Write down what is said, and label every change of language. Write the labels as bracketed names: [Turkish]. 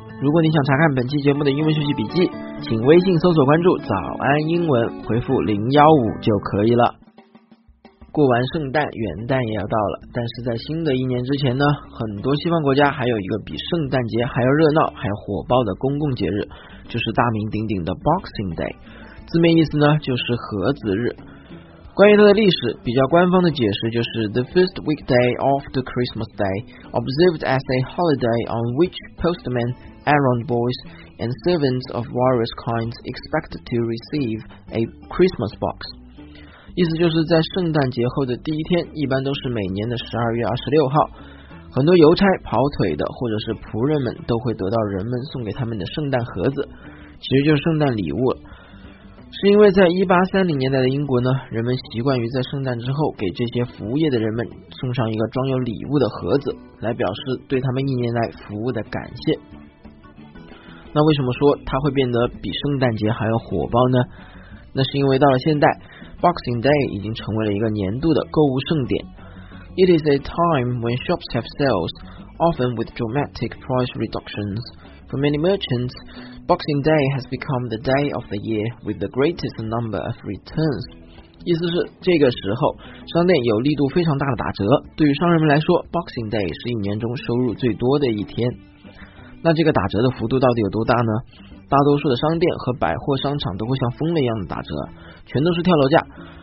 [Chinese] 如果你想查看本期节目的英文学习笔记，请微信搜索关注早安英文，回复015就可以了。过完圣诞，元旦也要到了，但是在新的一年之前呢，很多西方国家还有一个比圣诞节还要热闹还要火爆的公共节日，就是大名鼎鼎的 Boxing Day， 字面意思呢就是盒子日。关于它的历史，比较官方的解释就是 [English] The first weekday of the Christmas Day observed as a holiday on which postmen, errand boys and servants of various kinds expected to receive a Christmas box。 [Chinese] 意思就是在圣诞节后的第一天，一般都是每年的12月26号，很多邮差、跑腿的或者是仆人们都会得到人们送给他们的圣诞盒子，其实就是圣诞礼物。是因为在1830年代的英国呢，人们习惯于在圣诞之后给这些服务业的人们送上一个装有礼物的盒子，来表示对他们一年来服务的感谢。那为什么说它会变得比圣诞节还要火爆呢？那是因为到了现代 ，Boxing Day 已经成为了一个年度的购物盛典。 [English] It is a time when shops have sales, often with dramatic price reductions. For many merchants,Boxing Day has become the day of the year with the greatest number of returns. [Chinese] 意思是这个时候商店有力度非常大的打折，对于商人们来说 Boxing Day 是一年中收入最多的一天。那这个打折的幅度到底有多大呢？大多数的商店和百货商场都会像疯了一样的打折，全都是跳楼价。